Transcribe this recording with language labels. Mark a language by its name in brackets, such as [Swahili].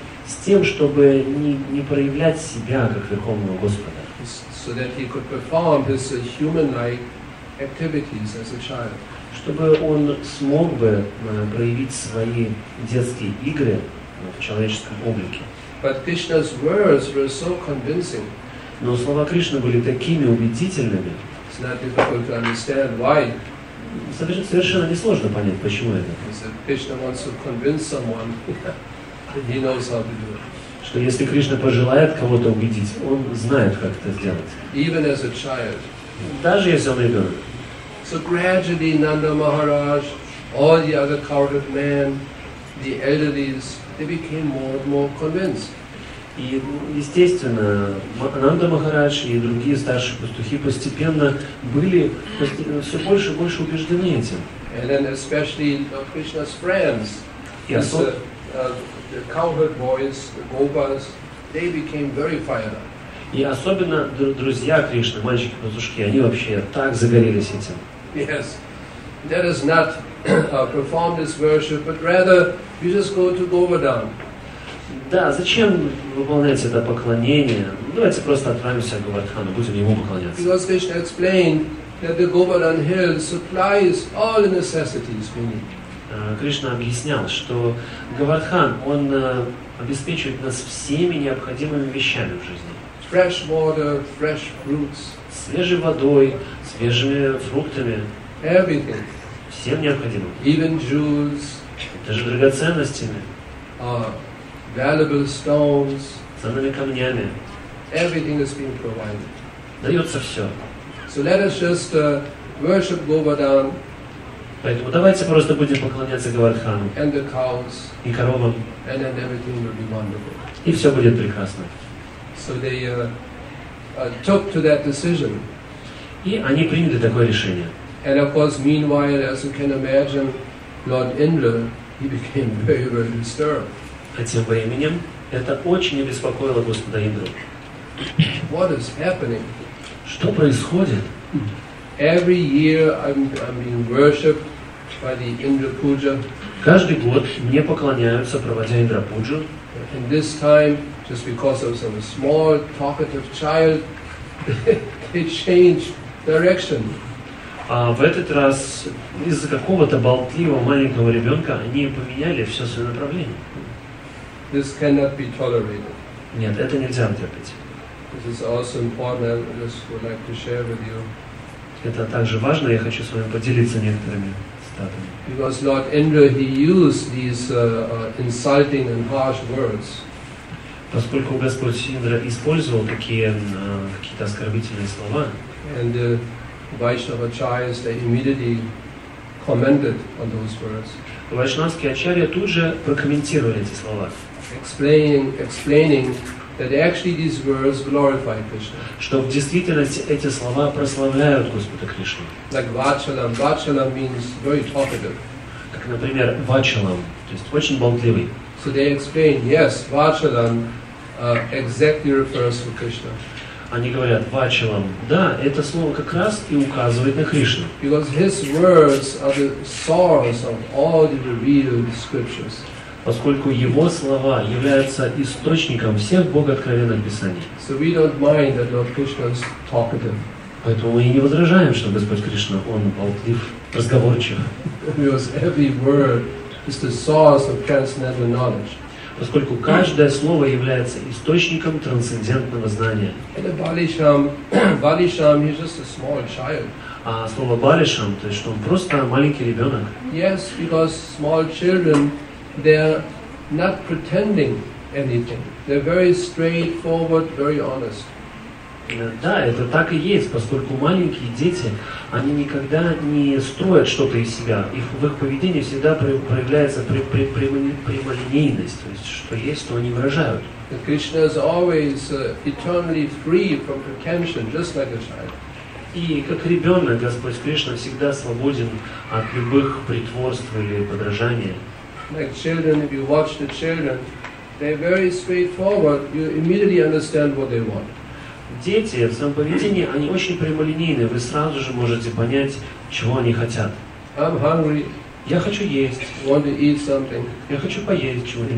[Russian] С тем, чтобы не проявлять себя как Верховного Господа. [English] So that he could perform his human-like activities as a child. [Russian] Чтобы он смог бы проявить свои детские игры в человеческом облике. [English] But Krishna's words were so convincing. [Russian] Но слова Кришны были такими убедительными. [English] It's not difficult to understand why. [Russian] Совершенно несложно понять, почему это. [English] Krishna wants to convince someone, he knows how to do it. [Russian] Что если Кришна пожелает кого-то убедить, он знает, как это сделать. [English] Even as a child. [Russian] Даже если он ребенок. [English] So gradually, Nanda Maharaj, all the other cowherd men, the elderly, they became more and more convinced. [Russian] И естественно, Нанда Махарадж и другие старшие пастухи постепенно были все больше и больше убеждены этим. [English] And then especially Lord Krishna's friends, the cowherd boys, the gopas, they became very fired up. [Russian] И особенно друзья Кришны, мальчики-пастушки, они вообще так загорелись этим. [English] Yes, let us not perform this worship, but rather you just go to Govardhan. [Russian] Да, зачем выполнять это поклонение? Давайте просто отправимся к Говардхану, будем ему поклоняться. [English] Because Krishna explained that the Govardhan hill supplies all the necessities we need. [Russian] Кришна объяснял, что Говардхан, он обеспечивает нас всеми необходимыми вещами в жизни. [English] Fresh water, fresh fruits. [Russian] Свежей водой, свежими фруктами. [English] Everything. [Russian] Всем необходимым. [English] Even jewels. [Russian] Даже драгоценностями. [English] Valuable stones. [Russian] Ценными камнями. [English] Everything is being provided. [Russian] Дается все. [English] So let us just worship Govardhan. [Russian] Поэтому давайте просто будем поклоняться Говардхану. [English] And the cows. [Russian] И коровам. [English] And then everything will be wonderful. [Russian] И все будет прекрасно. [English] So they took to that decision. [Russian] И они приняли такое решение. [English] And of course, meanwhile, as you can imagine, Lord Indra, he became very, very disturbed. [Russian] А тем временем это очень обеспокоило господа Индру. [English] What is happening? [Russian] Что происходит? [English] Every year I'm being worshipped by the Indra Puja. [Russian] Каждый год мне поклоняются, проводя Индра Пуджу. [English] And this time, just because of some small talkative child, it changed direction. [Russian] А в этот раз из-за какого-то болтливого маленького ребенка они поменяли все свое направление. [English] This cannot be tolerated. [Russian] Нет, это нельзя терпеть. [English] This is also important. I just would like to share with you. [Russian] Это также важно. Я хочу с вами поделиться некоторыми цитатами. [English] Because Lord Indra, he used these insulting and harsh words. [Russian] Поскольку Господь Индра использовал такие какие-то оскорбительные слова. [English] And the Vaishnava acharyas, they immediately commented on those words. [Russian] Вайшнавские ачарьи тут же прокомментировали эти слова. [English] Explaining that actually these words glorify Krishna. [Russian] Что в действительности эти слова прославляют Господа Кришну. [English] Like Vachalam. Vachalam means very talkative. [Russian] Как, например, Vachalam, то есть очень болтливый. [English] So they explain, yes, Vachalam exactly refers to Krishna. [Russian] Они говорят, Vachalam, да, это слово как раз и указывает на Кришну. [English] Because his words are the source of all the revealed scriptures. [Russian] Поскольку его слова являются источником всех богооткровенных писаний. [English] So we don't mind that Lord Krishna is talkative. [Russian] Поэтому мы и не возражаем, что Господь Кришна, он болтлив, разговорчив. [English] Because every word is the source of transcendental knowledge. [Russian] Поскольку каждое слово является источником трансцендентного знания. [English] And the Balisham, he's just a small child. [Russian] А слово Balisham, то есть что он просто маленький ребенок. [English] Yes, because small children, they're not pretending anything. They're very straightforward, very honest. [Russian] Да, это так и есть, поскольку маленькие дети, они никогда не строят что-то из себя. В их поведении всегда проявляется прямолинейность, то есть что есть, то они выражают. [English] Krishna is always eternally free from pretension, just like a child. [Russian] И как ребенок, Господь Кришна всегда свободен от любых притворств или подражания. [English] Like children, if you watch the children, they're very straightforward. You immediately understand what they want. [Russian] Дети в своем поведении они очень прямолинейные. Вы сразу же можете понять, чего они хотят. [English] I'm hungry. [Russian] Я хочу есть. [English] Want to eat something. [Russian] Я хочу поесть чего-нибудь.